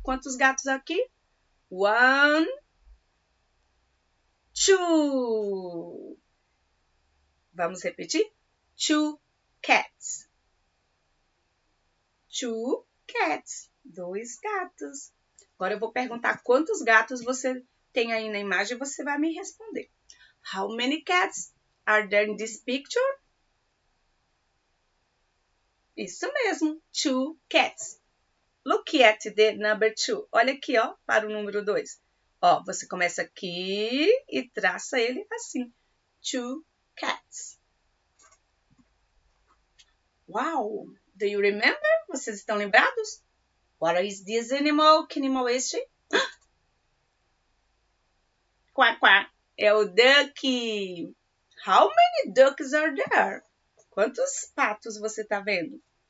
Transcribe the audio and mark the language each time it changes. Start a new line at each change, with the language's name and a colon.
Portuguese: Quantos gatos aqui?
English: One, two.
Portuguese: Vamos repetir?
English: Two cats. Two cats.
Portuguese: Dois gatos. Agora eu vou perguntar quantos gatos você tem aí na imagem e você vai me responder.
English: How many cats are there in this picture?
Portuguese: Isso mesmo.
English: Two cats. Look at the number two.
Portuguese: Olha aqui, ó, para o número dois. Ó, você começa aqui e traça ele assim.
English: Two cats. Wow, do you remember?
Portuguese: Vocês estão lembrados?
English: What is this animal?
Portuguese: Que animal é este? Quack, quack. É o ducky.
English: How many ducks are there?
Portuguese: Quantos patos você está vendo?